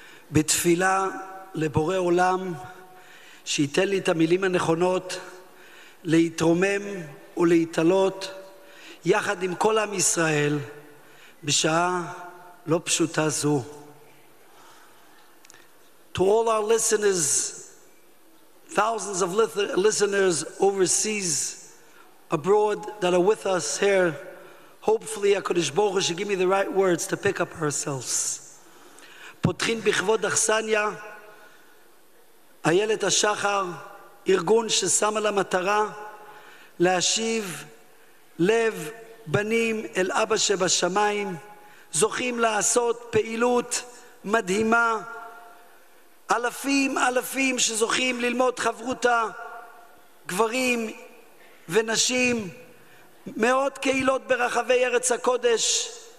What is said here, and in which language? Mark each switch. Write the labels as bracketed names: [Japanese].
[Hebrew] בתפילה לבורא עולם שייתן לי את המילים הנכונות להתרומם ולהתעלות יחד עם כל עם ישראל בשעה לא פשוטה זו. [English] To all our listeners, thousands of listeners overseas, abroad, that are with us here, hopefully HaKadosh Baruch Hu should give me the right words to pick up ourselves. [Hebrew] פותחים בכבוד אכסניה, איילת השחר, ארגון ששם על המטרה להשיב לב בנים אל אבא שבשמיים, זוכים לעשות פעילות מדהימה, אלפים אלפים שזוכים ללמוד חברותה, גברים ונשים, מאות קהילות ברחבי ארץ הקודש,